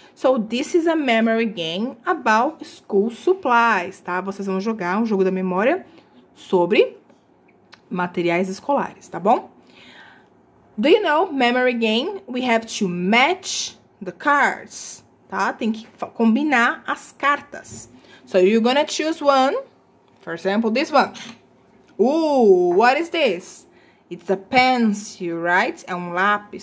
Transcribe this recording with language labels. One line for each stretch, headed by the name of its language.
English: So, this is a memory game about school supplies, tá?
Portuguese: Vocês vão jogar um jogo da memória sobre materiais escolares, tá bom?
English: Do you know, memory game, we have to match the cards, tá?
Portuguese: Tem que combinar as cartas.
English: So, you're gonna choose one, for example, this one. Ooh, what is this? It's a pencil, right?
Portuguese: É um lápis.